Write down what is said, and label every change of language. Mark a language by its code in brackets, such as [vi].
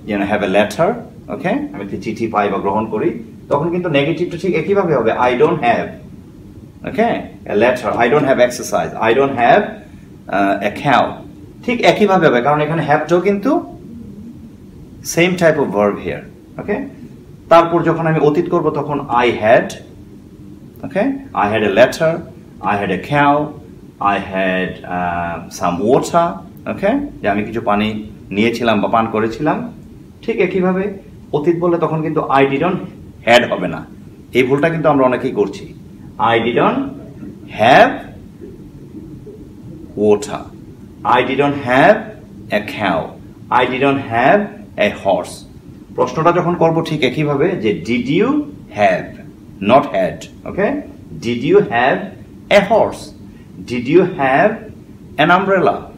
[en] have a letter, [bn] ওকে, আমি একটি চিঠি পাই বা গ্রহণ করি, তখন কিন্তু নেগেটিভটা ঠিক একইভাবে হবে, [en] I don't have, [bn] okay, [en] a letter, I don't have exercise, I don't have a cow, [bn] ঠিক একইভাবে হবে, কারণ এখানে হ্যাভটাও কিন্তু [en] same type of verb here, [bn] ওকে? তারপর যখন আমি অতীত করবো তখন [en] I had, Okay, I had a letter, I had a cow, I had some water. [bn] Okay, আমি কিছু পানি নিয়েছিলাম বা পান করেছিলাম. ঠিক একইভাবে অতীত বললে তখন কিন্তু [en] I didn't had [bn] হবে না. এই ভুলটা কিন্তু আমরা অনেকেই করছি. [en] I didn't have water. I didn't have a cow. I didn't have a horse. [bn] প্রশ্নটা যখন করব ঠিক একইভাবে যে [en] did you have, not had. Okay? Did you have a horse? Did you have an umbrella?